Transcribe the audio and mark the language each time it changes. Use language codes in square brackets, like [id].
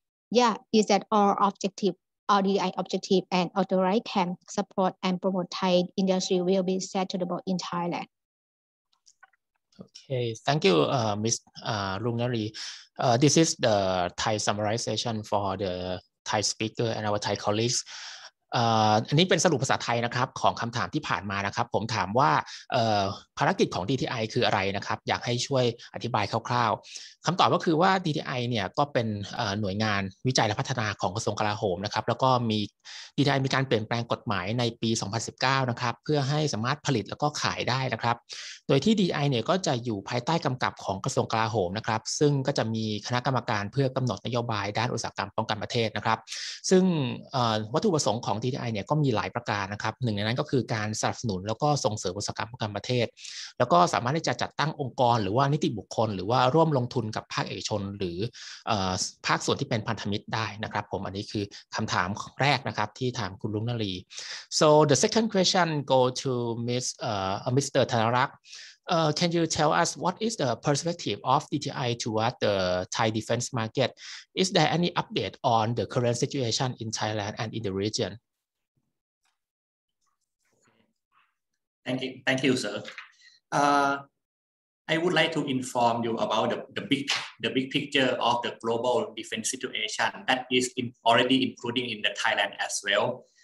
[en] Yeah, is that all objective, all DTI objective and authorized can support and promote Thai industry will be settled in Thailand. Okay, thank you, Ms. Lungnari. This is the Thai summarization for the Thai speaker and our Thai colleagues. [th] อันนี้เป็นสรุปภาษาไทยนะครับของคำถามที่ผ่านมานะครับผมถามว่าภารกิจของ DTI คืออะไรนะครับอยากให้ช่วยอธิบายคร่าวๆคำตอบก็คือว่า DTI เนี่ยก็เป็นหน่วยงานวิจัยและพัฒนาของกระทรวงกลาโหมนะครับแล้วก็มี DTI มีการเปลี่ยนแปลงกฎหมายในปี2019นะครับเพื่อให้สามารถผลิตแล้วก็ขายได้นะครับโดยที่ DTI เนี่ยก็จะอยู่ภายใต้กำกับของกระทรวงกลาโหมนะครับซึ่งก็จะมีคณะกรรมการเพื่อกำหนดนโยบายด้านอุตสาหกรรมป้องกันประเทศนะครับซึ่ง วัตถุประสงค์ของ DTI เนี่ยก็มีหลายประการนะครับหนึ่งในนั้นก็คือการสนับสนุนแล้วก็ส่งเสริมอุตสาหกรรมการประเทศแล้วก็สามารถที่จะจัดตั้งองค์กรหรือว่านิติบุคคลหรือว่าร่วมลงทุนกับภาคเอกชนหรือภาคส่วนที่เป็นพันธมิตรได้นะครับผมอันนี้คือคำถามแรกนะครับที่ถามคุณลุงนรี [en] So the second question go to Mr. Thanarak. Can you tell us what is the perspective of DTI towards the Thai defense market? Is there any update on the current situation in Thailand and in the region? Thank you, sir. I would like to inform you about the big picture of the global defense situation that is already including in the Thailand as well.